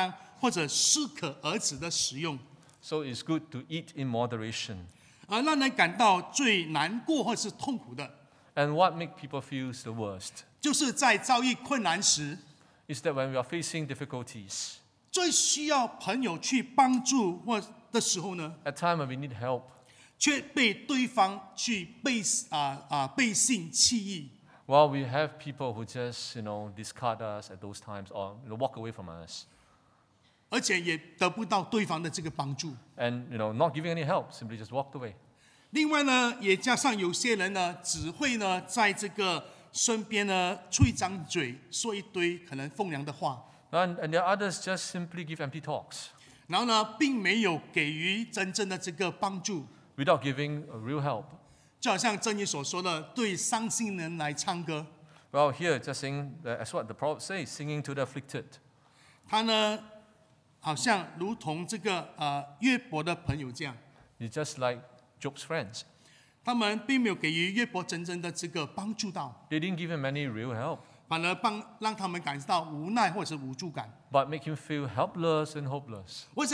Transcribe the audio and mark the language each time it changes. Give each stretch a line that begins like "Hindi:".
Chinese: 所以呢，最好是选择健康或者适可而止的食用。
English: So it's good to eat in moderation.
Chinese: 而让人感到最难过或是痛苦的，
English: and what makes people feel the worst?
Chinese: 就是在遭遇困难时，
English: is that when we are facing difficulties.
Chinese: 最需要朋友去帮助的时候呢，
English: at time when we need help,
Chinese: 却被对方去背信弃义。
English: Well, we have people who just, you know, discard us at those times or you know, walk away from us. And, you know, not giving any help, simply just walked away.
Chinese: 另外呢，也加上有些人呢，只会呢在这个身边呢出一张嘴，说一堆可能风凉的话。
English: And the others just simply give empty talks.
Chinese: 然后呢，并没有给予真正的这个帮助。
English: Without giving a real help.
Chinese: 就好像真理所说的，对伤心人来唱歌。
English: Well, here just saying that as what the prophet says, singing to the afflicted.
Chinese: 他呢，好像如同这个约伯的朋友这样。
English: It's just like Job's friends.
Chinese: 他们并没有给予约伯真正的这个帮助到。
English: They didn't give him any real help.
Chinese: 反而让他们感到无奈或者无助感。
English: But make him feel helpless and hopeless.